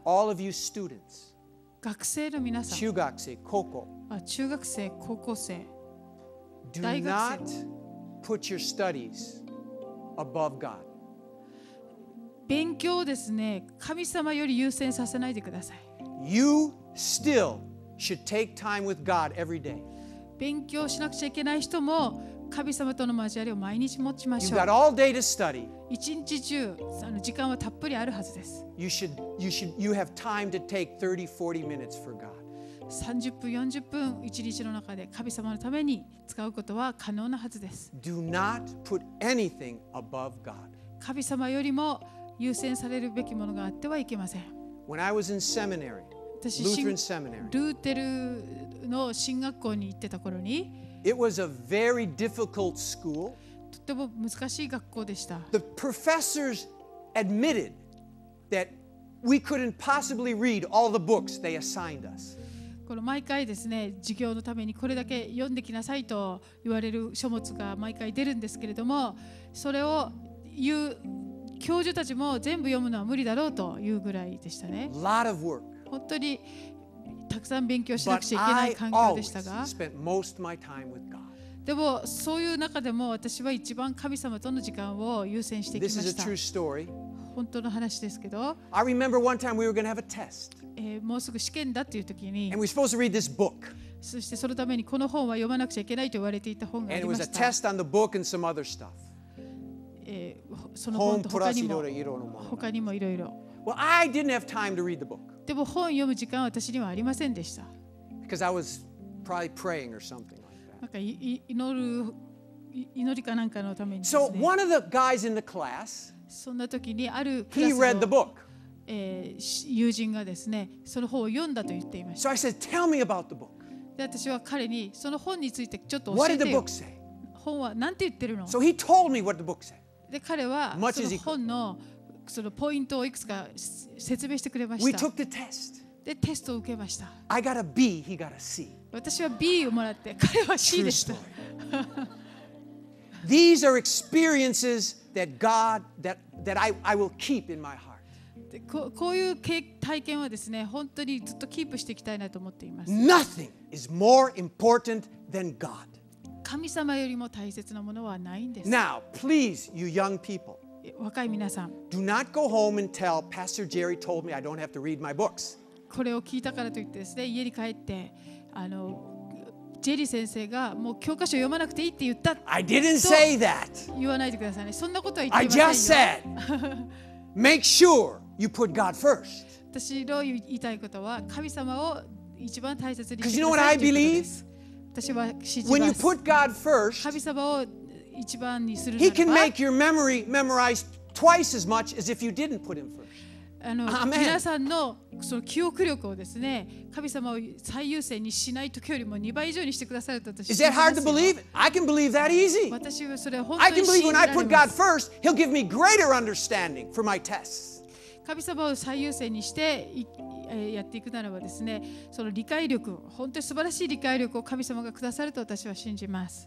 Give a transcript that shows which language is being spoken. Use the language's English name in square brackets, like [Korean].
[English] All of you students. [Japanese] 学生の皆さん、中学生、高校、中学生、高校生。 [English] Do not put your studies above God. [Japanese] 勉強をですね、神様より優先させないでください。 [English] You still should take time with God every day. [Japanese] 勉強しなくちゃいけない人も神様との交わりを毎日持ちましょう。 [English] You've got all day to study. [Japanese] 一日中その時間はたっぷりあるはずです。 [English] You have time to take 30, 40 minutes for God. [Japanese] 30分40分1日の中で神様のために使うことは可能なはずです。 [English] Do not put anything above God. [Japanese] 神様よりも優先されるべきものがあってはいけません。 [English] When I was in seminary, Lutheran seminary, [Japanese] ルーテルの神学校に行ってた頃に、 [English] It was a very difficult school. [Japanese] とても難しい学校でした。 [English] The professors admitted that we couldn't possibly read all the books they assigned us. [Japanese] この毎回ですね、授業のためにこれだけ読んできなさいと言われる書物が毎回出るんですけれども、それを言う教授たちも全部読むのは無理だろうというぐらいでしたね。 [English] Lot of work. [Japanese] 本当にたくさん勉強しなくちゃいけない環境でしたが、 [English] But I always spent most of my time with God. [Japanese] でもそういう中でも私は一番神様との時間を優先してきました。 [English] This is a true story. [Japanese] 本当の話ですけど、 [English] I remember one time we were going to have a test. [Japanese] もうすぐ試験だっていう時に、 [English] And we're supposed to read this book. [Japanese] そしてそのためにこの本は読まなくちゃいけないと言われていた本がありました。 [English] And it was a test on the book and some other stuff. [Japanese] その本と他にも、他にもいろいろ。 [English] Well, I didn't have time to read the book. [Japanese] でも本読む時間は私にはありませんでした。 [English] Because I was probably praying or something like that. [Japanese] なんか祈りかなんかのためにですね。 [English] So one of the guys in the class. [Japanese] そんな時にあるクラスの、友人がですね、その本を読んだと言っていました。 [English] So I said, Tell me about the book. [Japanese] で私は彼にその本についてちょっと教えてよ。 [English] What did the book say? [Japanese] 本は何て言ってるの? [English] So he told me what the book said. [Japanese] で彼はその本のそのポイントをいくつか説明してくれました。 [English] We took the test. [Japanese] でテストを受けました。 [English] I got a B, he got a C. [Japanese] 私は B をもらって彼は C でした。 [English] These are experiences that God that I will keep in my heart. Nothing is more important than God. Now, please, you young people, do not go home and tell Pastor Jerry told me I don't have to read my books. [Japanese] これを聞いたからといってですね、家に帰ってあの。ジェリー先生がもう教科書を読まなくていいって言ったと [English] I didn't say that. [Japanese] 言わないでくださいね。そんなことは言ってませんよ。 [English] I just said, make sure you put God first. [Japanese] 私の言いたいことは神様を一番大切にしてください。 [English] Because you know what I believe? When you put God first, [Japanese] 神様を一番にするならば [English] He can make your memory memorize twice as much as if you didn't put Him first. [Japanese] あの皆さんのその記憶力をですね、神様を最優先にしない時よりも2倍以上にしてくださると私は。 [English] Is that hard to believe? I can believe that easy. [Japanese] 私はそれ本当に信じられます。 [English] I can believe when I put God first, He'll give me greater understanding for my tests. [Japanese] 神様を最優先にしてやっていくならばですね、その理解力、本当に素晴らしい理解力を神様がくださると私は信じます。